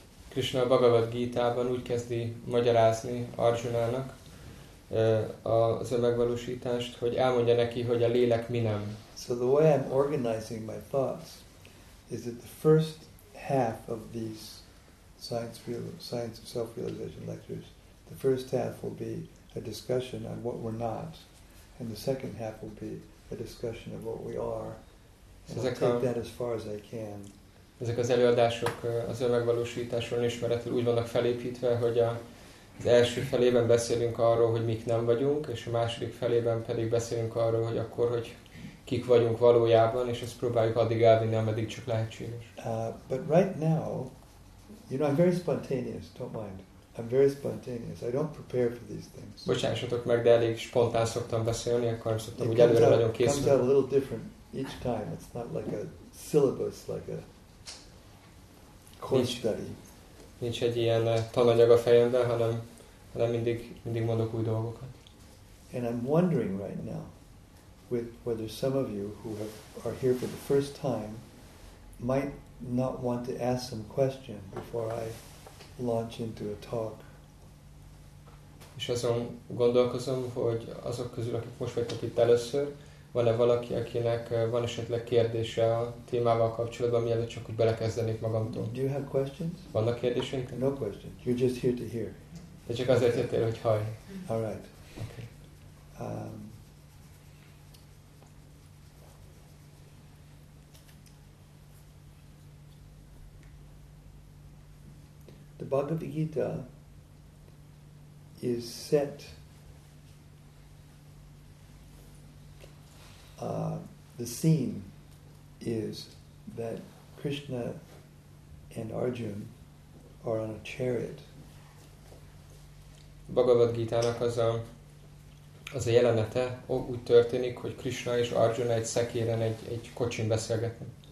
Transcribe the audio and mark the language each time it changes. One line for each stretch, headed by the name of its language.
Hungarian: Krishna a Bhagavad Gita-ban úgy kezdi magyarázni Arjunának az önmegvalósítást, hogy elmondja neki, hogy a lélek mi nem.
English: So the way I'm organizing my thoughts is that the first half of these science of self-realization lectures, the first half will be a discussion on what we're not, and the second half will be a discussion of what we are, and
Hungarian: ezek
English: I'll take that as far as I can.
Hungarian: Ezek az előadások az önmegvalósításról, önismeretről úgy vannak felépítve, hogy az első felében beszélünk arról, hogy mik nem vagyunk, és a második felében pedig beszélünk arról, hogy akkor, hogy kik vagyunk valójában, és ezt próbáljuk addig elvinni, ameddig csak lehetséges.
English: But right now, you know, I'm very spontaneous, don't mind. I'm very spontaneous. I don't prepare for these things.
Hungarian: Bocsássatok meg, de elég spontán szoktam beszélni, akkor nem szoktam, hogy előre nagyon készülni.
English: It comes out a little different each time. It's not like a syllabus, like a course study.
Hungarian: Nincs egy ilyen tananyag a fejemben, hanem mindig mondok új dolgokat.
English: And I'm wondering right now with whether some of you who are here for the first time might not want to ask some question before I launch into a talk.
Hungarian: És azon gondolkozom, hogy azok közül, akik most vagytok itt először, van-e valaki, akinek van esetleg kérdése a témával kapcsolatban, mielőtt csak úgy belekezdenék magamtól?
English: Do you have questions?
Hungarian: Vannak kérdéseink?
English: No questions. You're just here to hear.
Hungarian: De csak azért jöttél, hogy hallj.
English: All right. Okay. The Bhagavad Gita is set. The scene is that Krishna and Arjuna are on a chariot.
Hungarian: Bhagavad Gita-nak az a jelenete úgy történik, hogy Krishna és Arjuna egy szekéren egy kocsin beszélgetnek.